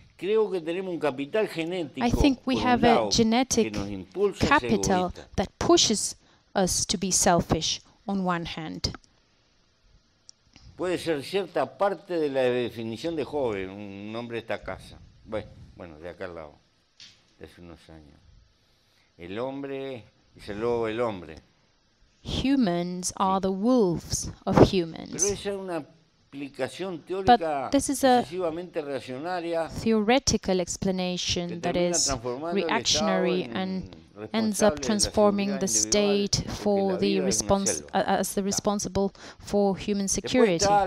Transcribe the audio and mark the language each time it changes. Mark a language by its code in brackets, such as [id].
[en] I think we have a genetic capital that pushes us to be selfish on one hand. [es] Puede ser cierta parte de la definición de joven, un hombre de esta casa. Bueno, de acá al lado, de hace unos años. El hombre es el lobo del hombre. [en] Humans are the wolves of humans. [es] Pero esa es una aplicación teórica excesivamente reaccionaria. [en] But this is a theoretical explanation that is reactionary and ends up transforming the state for the as the responsible for human security.